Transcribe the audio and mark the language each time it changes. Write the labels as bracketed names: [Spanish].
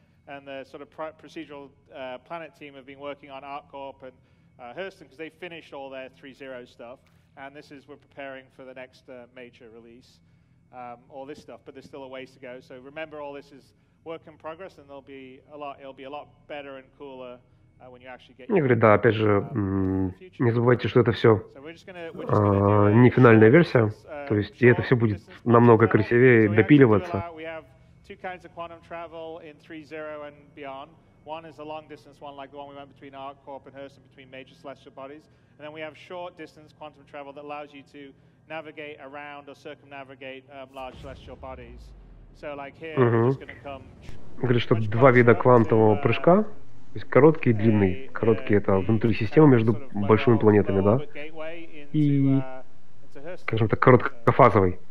[English] And the sort of procedural planet team have been working on ArcCorp and Hurston because they finished all their 3.0 stuff. And this is, we're preparing for the next major release, all this stuff, but there's still a ways to go. So remember, all this is work in progress, and there'll be a lot, it'll be a lot better and cooler when you actually get your... [Russian] Я говорю, да, опять же, не забывайте, что это все не финальная версия, то есть это все будет намного красивее допиливаться. [English] Two kinds of quantum travel in 3.0 and beyond. One is a long distance one, like the one we went between ArcCorp and Hurston, between major celestial bodies. And then we have short distance quantum travel that allows you to navigate around or circumnavigate large celestial bodies. So like here, [Russian] Говорит, что два вида квантового прыжка, то есть короткий и длинный. Короткий — это внутри системы между большими планетами, да? И, скажем так, короткофазовый.